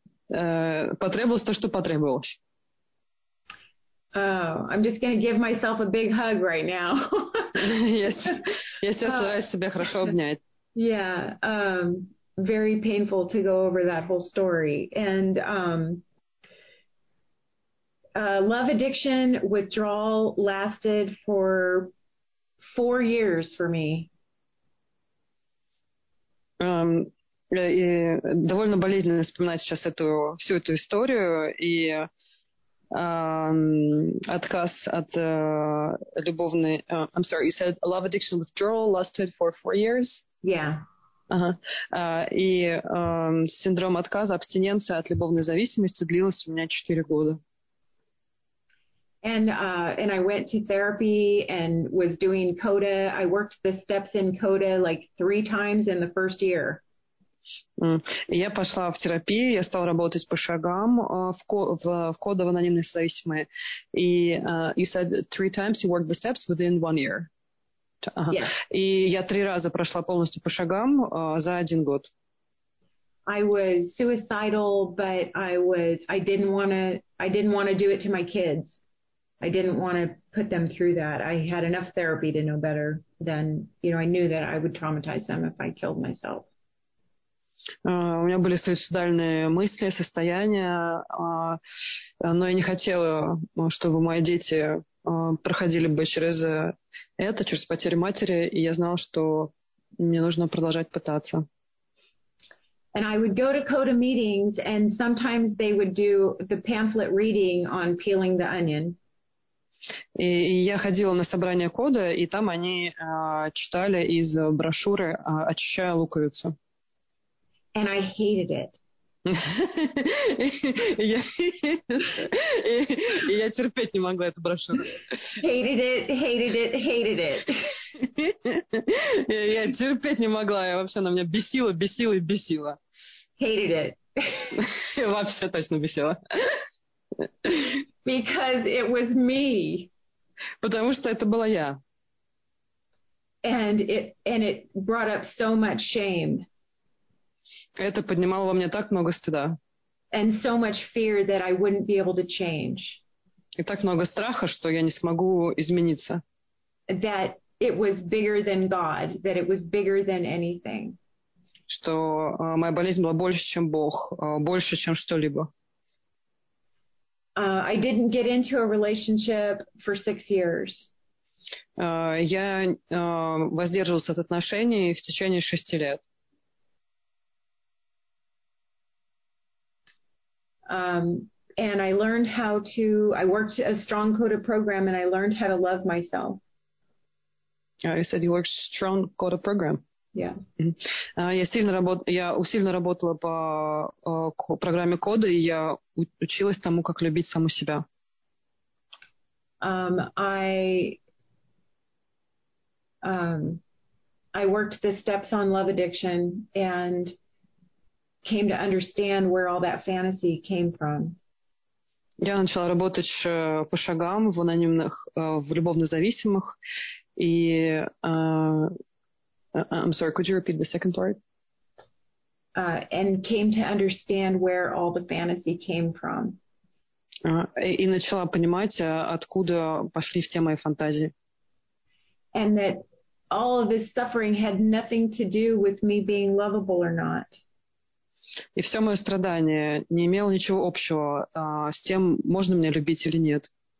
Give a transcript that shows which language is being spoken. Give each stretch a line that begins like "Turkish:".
Russian: Потребовалось то, что потребовалось.
English: Oh, I'm just going to give myself a big hug right now. Yes.
Russian: Я сейчас стараюсь себя хорошо обнять.
English: Yeah, very painful to go over that whole story. And love addiction withdrawal lasted for 4 years for me.
Russian: И довольно болезненно вспоминать сейчас эту, всю эту историю и отказ от любовной...
English: I'm sorry, you said love addiction withdrawal lasted for 4 years? Yeah.
Russian: И синдром отказа, абстиненция от любовной зависимости длилась у меня 4 года.
English: And I went to therapy and was doing CODA. I worked the steps in CODA like 3 times in the first year.
Russian: Я пошла в терапию, я стала работать по шагам в кодово анонимной зависимой. И
English: you said 3 times you worked the steps within 1 year. Yes.
Russian: И я 3 раза прошла полностью по шагам за 1 год.
English: I was suicidal, but I didn't want to do it to my kids. I didn't want to put them through that. I had enough therapy to know better than, you know, I knew that I would traumatize them if I killed myself.
Russian: У меня были суицидальные мысли, состояния, но я не хотела, чтобы мои дети проходили бы через это, через потерю матери, и я знала, что мне нужно продолжать пытаться.
English: And I would go to CODA meetings, and sometimes they would do the pamphlet reading on peeling the onion.
Russian: И я ходила на собрание CODA, и там они читали из брошюры «Очищая луковицу».
English: And I hated it.
Russian: Я терпеть не могла эту брошюру.
English: Hated it, hated it, hated it.
Russian: Я терпеть не могла, я вообще, она меня бесила, бесила и бесила.
English: Hated it.
Russian: Вообще точно бесила.
English: Because it was me.
Russian: Потому что это была я.
English: And it brought up so much shame.
Russian: Это поднимало во мне так много стыда.
English: And so much fear that I wouldn't be able to change.
Russian: И так много страха, что я не смогу измениться.
English: That it was bigger than God, that it was bigger than anything.
Russian: Что моя болезнь была больше, чем Бог, больше, чем что-либо.
English: I didn't get into a relationship for 6 years.
Russian: Я воздерживался от отношений в течение 6 лет.
English: And I learned how to, I worked a strong CODA program and I learned how to love myself. You said you worked a strong CODA program. Yeah.
Russian: Я усиленно работала по программе CODA, и я училась тому, как любить саму себя.
English: I worked the steps on love addiction and came to understand where all that fantasy came from.
Russian: Я начала работать по шагам в анонимных, в любовнозависимых, и
English: I'm sorry, could you repeat the second part? And came to understand where all the fantasy came from.
Russian: И начала понимать, откуда пошли все мои фантазии.
English: And that all of this suffering had nothing to do with me being lovable or not.
Russian: И все мое страдание не имело ничего общего с тем, можно меня любить или нет.